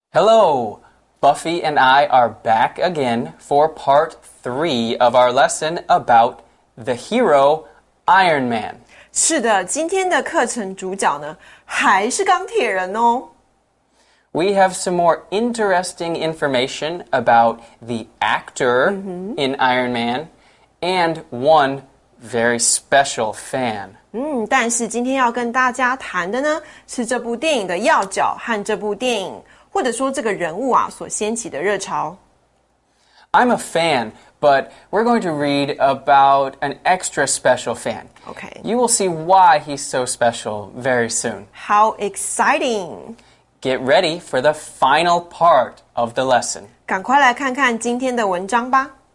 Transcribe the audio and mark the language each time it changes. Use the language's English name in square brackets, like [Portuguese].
[English] Hello, Buffy and I are back again for part three of our lesson about the hero Iron Man. [Chinese] 是的，今天的课程主角呢，还是钢铁人哦。 [English] We have some more interesting information about the actor、mm-hmm. in Iron Man and one very special fan. [Chinese] 但是今天要跟大家谈的呢，是这部电影的要角和这部电影。或者说这个人物啊所掀起的热潮。 [English] I'm a fan, but we're going to read about an extra special fan. Okay. You will see why he's so special very soon. How exciting! Get ready for the final part of the lesson. [Chinese] 赶快来看看今天的文章吧。